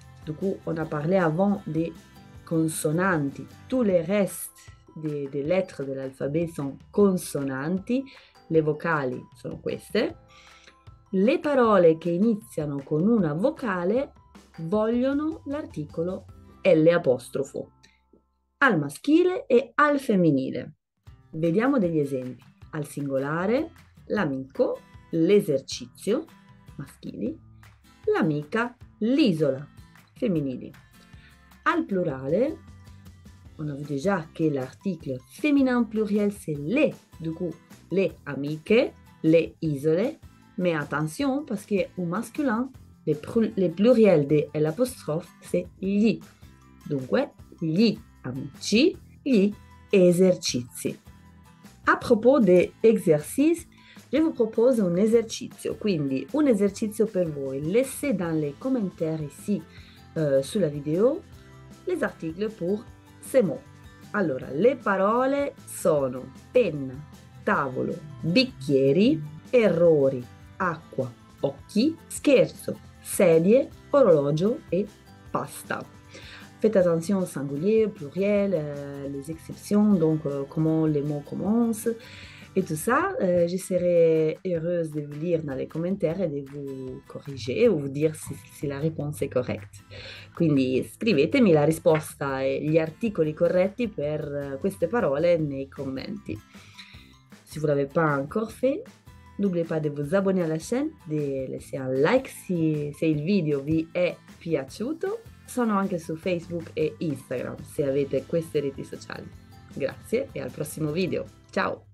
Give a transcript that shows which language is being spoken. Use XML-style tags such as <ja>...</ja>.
<fr>Du coup, on a parlé avant des consonanti. Tous les restes des lettres de l'alphabet sont consonanti.</fr> <it>Le vocali sono queste. Le parole che iniziano con una vocale vogliono l'articolo L'apostrofo. Al maschile e al femminile. Vediamo degli esempi. Al singolare, l'amico, l'esercizio, maschili, l'amica, l'isola, femminili.</it> <fr>Al plurale, on a vu déjà che l'article féminin pluriel c'est les, du coup les amiques, les isolés. Mais attention, parce qu'au masculin, le pluriel de l'apostrophe, c'est gli. Donc, ouais, gli amici, gli esercizi. À propos des exercices, je vous propose un esercizio.</fr> <it>Quindi, un esercizio per voi.</it> <fr>Laissez dans les commentaires ici, sous la vidéo, les articles pour ces mots.</fr> <it>Allora, le parole sono penna, tavolo, bicchieri, errori, acqua, occhi, scherzo, sedie, orologio e pasta.</it> <fr>Faites attention au singulier, au pluriel, les exceptions, donc comment les mots commencent et tout ça. Je serai heureuse de vous lire dans les commentaires et de vous corriger ou vous dire si la réponse est correcte.</fr> <it>Quindi scrivetemi la risposta e gli articoli corretti per queste parole nei commenti.</it> <fr>Si vous l'avez pas encore fait, n'oubliez pas de vous abonner à la chaîne, de laisser un like</fr> <it>se il video vi è piaciuto. Sono anche su Facebook e Instagram se avete queste reti sociali. Grazie e al prossimo video. Ciao!</it>